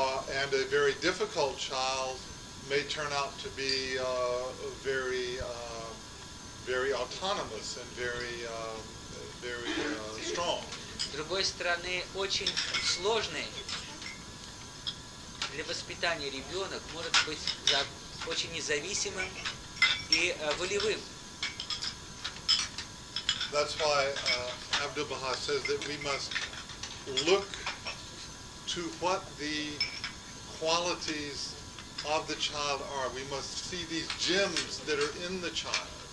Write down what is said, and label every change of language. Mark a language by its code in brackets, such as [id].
[en] And a very difficult child may turn out to be very, very autonomous and very, very strong. [ru] С другой стороны, очень сложный для воспитания ребенок может быть очень независимым и волевым. [en] That's why Abdu'l-Bahá says that we must look to what the qualities of the child are. We must see these gems that are in the child.